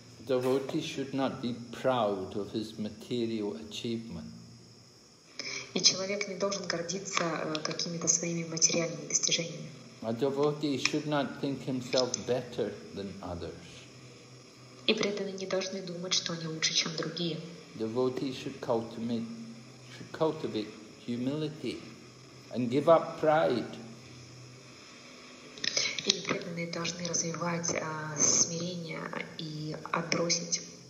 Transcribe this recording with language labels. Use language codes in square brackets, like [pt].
[en] Devotee should not be proud of his material achievement. [ru] И человек не должен гордиться какими-то своими материальными достижениями. [en] A devotee should not think himself better than others. [ru] И преданные не должны думать, что они лучше, чем другие. [en] Devotee should cultivate humility and give up pride. [ru] И преданные должны развивать смирение и отбросить.